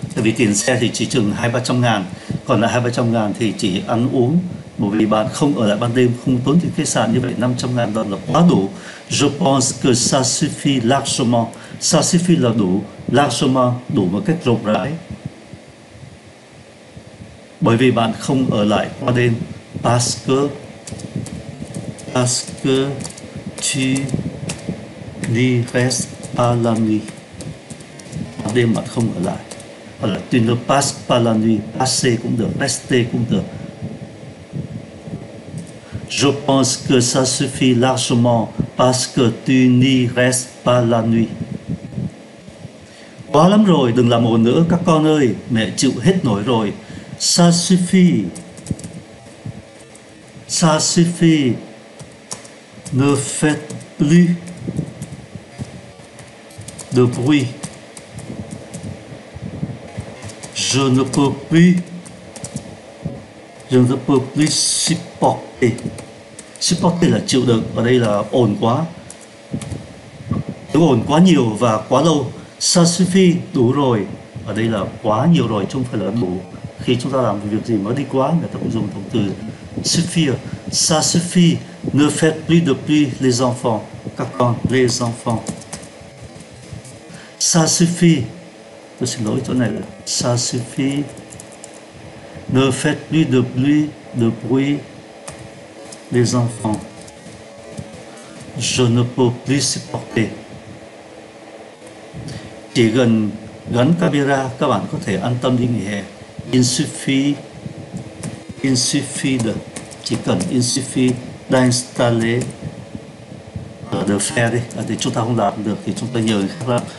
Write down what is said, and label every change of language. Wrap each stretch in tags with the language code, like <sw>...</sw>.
<vi>Tại vì tiền xe thì chỉ chừng 200-300 ngàn, còn lại 200-300 ngàn thì chỉ ăn uống, bởi vì bạn không ở lại ban đêm, không tốn tiền khách sạn, như vậy 500 ngàn đó là quá đủ.</vi> <fr>Je pense que ça suffit largement. Ça suffit</fr> <vi>là đủ,</vi> <fr>largement</fr> <vi>đủ một cách rộng rãi. Bởi vì bạn không ở lại qua đêm.</vi> <fr>Parce que tu n'y restes pas la nuit.</fr> <vi>Qua đêm bạn không ở lại. Hoặc là</vi> <fr>tu ne passes pas la nuit.</fr> <vi>Passer cũng được, rester cũng được.</vi> <fr>Je pense que ça suffit largement parce que tu n'y restes pas la nuit.</fr> <vi>Quá lắm rồi, đừng làm ồn nữa các con ơi, mẹ chịu hết nổi rồi.</vi> <fr>Ça suffit. Ça suffit. Ne faites plus de bruit. Je ne peux plus. Je ne peux plus supporter.</fr> <vi>Supporter là chịu đựng, ở đây là ồn quá. Ồn quá nhiều và quá lâu. Ça suffit, đủ rồi. Ở đây là quá nhiều rồi, chứ không phải là đủ. Khi chúng ta làm việc gì mới đi quá, người ta cũng dùng động từ suffire.</vi> <fr>Ça suffit, ne faites plus de bruit les enfants.</fr> <vi>Các con,</vi> <fr>les enfants. Ça suffit,</fr> <vi>tôi xin lỗi chỗ này là</vi> <fr>ça suffit. Ne faites plus de bruit, les enfants. Je ne peux plus supporter.</fr> <vi>Chỉ gần gắn camera, các bạn có thể an tâm đi nghỉ hè.</vi> <fr>Il suffit de,</fr> <vi>chỉ cần</vi> <fr>il suffit d'installer. De faire,</fr> <vi>thì chúng ta không làm được thì chúng ta nhờ người khác làm.</vi>